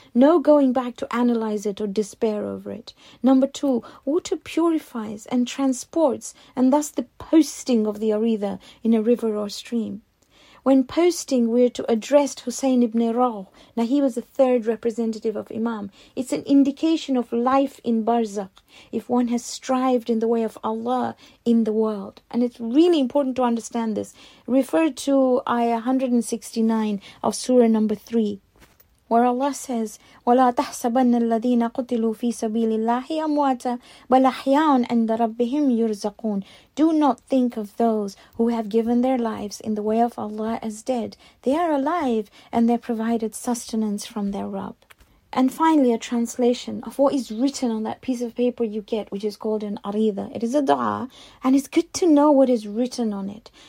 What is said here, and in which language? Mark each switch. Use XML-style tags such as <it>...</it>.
<en>No going back to analyze it or despair over it. Number two, water purifies and transports, and thus the posting of the aritha in a river or stream. When posting, we're to address Hussein ibn Rauh. Now, he was the third representative of Imam. It's an indication of life in Barzakh, if one has strived in the way of Allah in the world. And it's really important to understand this. Refer to Ayah 169 of Surah number 3, where Allah says,</en> <ar>وَلَا تَحْسَبَنَّ الَّذِينَ قُتِلُوا فِي سَبِيلِ اللَّهِ أَمْوَاتًا بَلْ أَحْيَاءٌ عِنْدَ رَبِّهِمْ يُرْزَقُونَ.</ar> <en>Do not think of those who have given their lives in the way of Allah as dead. They are alive and they're provided sustenance from their Rabb. And finally, a translation of what is written on that piece of paper you get, which is called an aridha. It is a dua, and it's good to know what is written on it.</en>